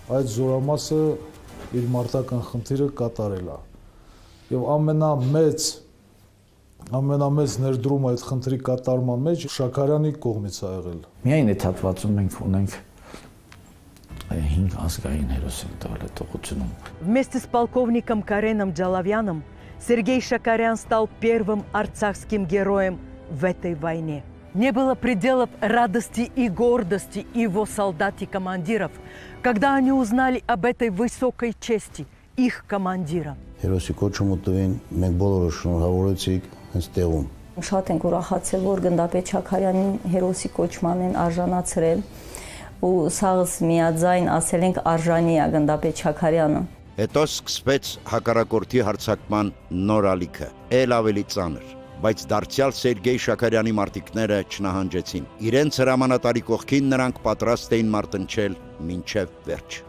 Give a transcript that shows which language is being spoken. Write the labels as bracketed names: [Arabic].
[Armenian] Այդ զորամասը իր մարտական խնդիրը կատարել է։ Եվ ամենամեծ ներդրումը այդ խնդրի կատարման մեջ Շաքարյանի կողմից է եղել։ Միայն այդ հատվածում մենք ունենք 5 ազգային հերոս են տվել այդ ուղությունում։ [Russian] Вместе с полковником Кареном Джалавяном Сергей Шакарян стал первым арцахским героем в этой войне. Не было пределов радости и гордости его солдат и командиров, когда они узнали об этой высокой чести их командира. [Armenian] Հերոսի կոչումը տվին, մենք բոլորը շնորհավորեցինք հենց տեղում։ Շատ ենք ուրախացել, որ գնդապետ Շաքարյանին հերոսի կոչման են արժանացրել, ու սաղս միաձայն ասել ենք արժանի է գնդապետ Շաքարյանը։ Հետո սկսվեց հակառակորդի հարձակման նոր ալիքը, էլ ավելի ծանր, բայց դարձյալ Սերգեյ Շաքարյանի մարտիկները չնահանջեցին։ Իրենց հրամանատարի կողքին նրանք պատրաստ էին մարտնչել մինչև վերջ։